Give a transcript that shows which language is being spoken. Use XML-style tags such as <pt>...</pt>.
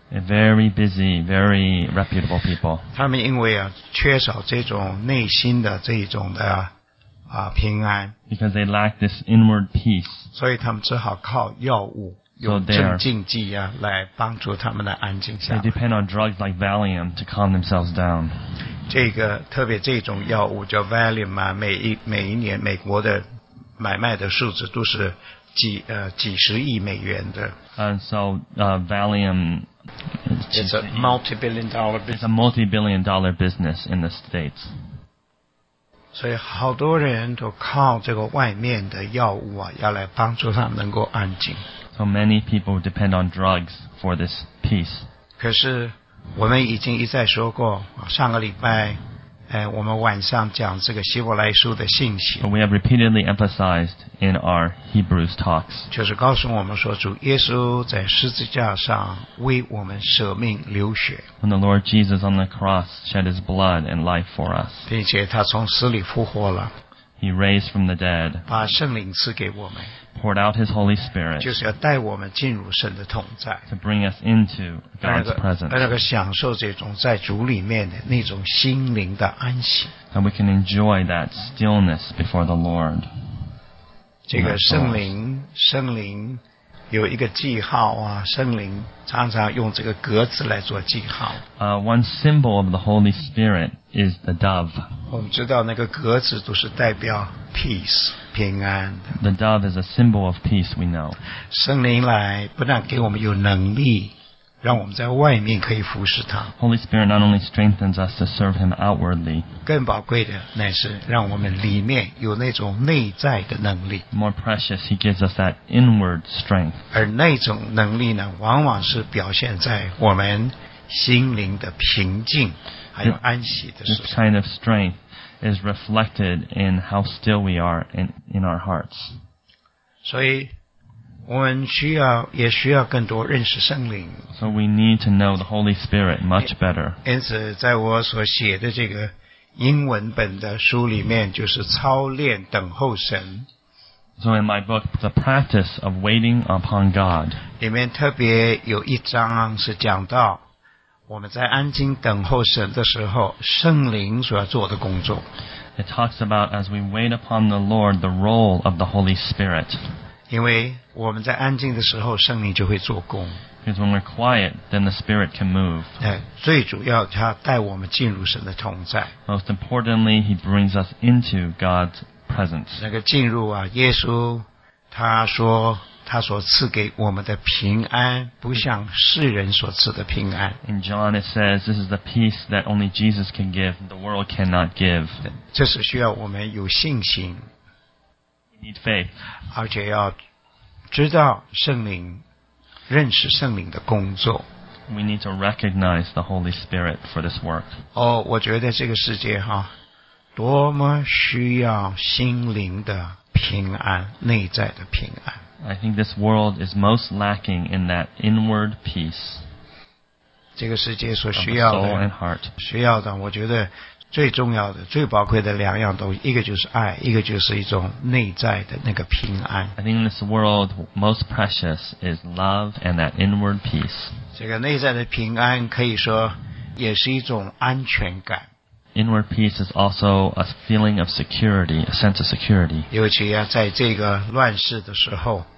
<en>A very busy, very reputable people.</en> <zh>他们因为缺少这种内心的这种的平安</zh> <en>Because they lack this inward peace.</en> <zh>所以他们只好靠药物用镇静剂来帮助他们来安静下来。</zh> <en>They depend on drugs like Valium to calm themselves down.</en> <zh>这个特别这种药物叫 Valium 啊，每一年美国的买卖的数字都是几十亿美元的。</zh> <en>And so Valium is a multi-billion-dollar business. It's a multi-billion-dollar business in the States.</en> <zh>所以好多人都靠这个外面的药物要来帮助他们能够安静。</zh> <en>So many people depend on drugs for this peace.</en> <zh>可是我们已经一再说过，上个礼拜，我们晚上讲这个希伯来书的信息。</zh> <en>But we have repeatedly emphasized in our Hebrews talks.</en> <zh>就是告诉我们说，主耶稣在十字架上为我们舍命流血。</zh> <en>When the Lord Jesus on the cross shed his blood and life for us.</en> <zh>并且他从死里复活了。</zh> <en>He raised from the dead.</en> <zh>把圣灵赐给我们。</zh> <en>Poured out his Holy Spirit.</en> <zh>就是要带我们进入神的同在。</zh> <en>To bring us into God's presence.</en> <zh>让那个享受这种在主里面的那种心灵的安息。</zh> <en>And we can enjoy that stillness before the Lord.</en> <zh>这个圣灵有一个记号圣灵常常用这个格子来做记号。</zh> <en>One symbol of the Holy Spirit is the dove.</en> <zh>我们知道那个格子都是代表 peace, 平安的。</zh> <en>The dove is a symbol of peace, we know.</en> <zh>圣灵来不但给我们有能力让我们在外面可以服侍他。</zh> <en>Holy Spirit not only strengthens us to serve him outwardly.</en> <zh>更宝贵的乃是让我们里面有那种内在的能力。</zh> <en>More precious, he gives us that inward strength.</en> <zh>而那种能力呢往往是表现在我们心灵的平静还有安息的时候。</zh> <en>This kind of strength is reflected in how still we are in our hearts.</en> <zh>所以我们需要也需要更多认识圣灵。</zh> <en>So we need to know the Holy Spirit much better.</en> <zh>因此在我所写的这个英文本的书里面就是操练等候神。</zh> <en>So in my book, The Practice of Waiting Upon God.</en> <zh>里面特别有一章是讲到我们在安静等候神的时候圣灵所要做的工作。</zh> <en>It talks about as we wait upon the Lord, the role of the Holy Spirit.</en> <zh>因为我们在安静的时候圣灵就会做工</zh> <en>Because when we're quiet, then the Spirit can move.</en> <zh>最主要他带我们进入神的同在</zh> <en>Most importantly, he brings us into God's presence.</en> <zh>那个进入耶稣他说他所赐给我们的平安不像世人所赐的平安</zh> <en>In John it says, this is the peace that only Jesus can give, the world cannot give.</en> <zh>这是需要我们有信心</zh> <en>Need faith.</en> <zh>而且要知道圣灵认识圣灵的工作</zh> <en>We need to recognize the Holy Spirit for this work.</en> <zh>我觉得这个世界多么需要心灵的平安内在的平安</zh> <en>I think this world is most lacking in that inward peace</en> <zh>这个世界所需要的</zh> <en>of the soul and heart.</en> <zh>需要的我觉得最重要的最宝贵的两样东西一个就是爱一个就是一种内在的那个平安</zh> <en>I think in this world most precious is love and that inward peace</en> <zh>这个内在的平安可以说也是一种安全感</zh> <en>Inward peace is also a feeling of security a sense of security</en> <zh>尤其在这个乱世的时候</zh>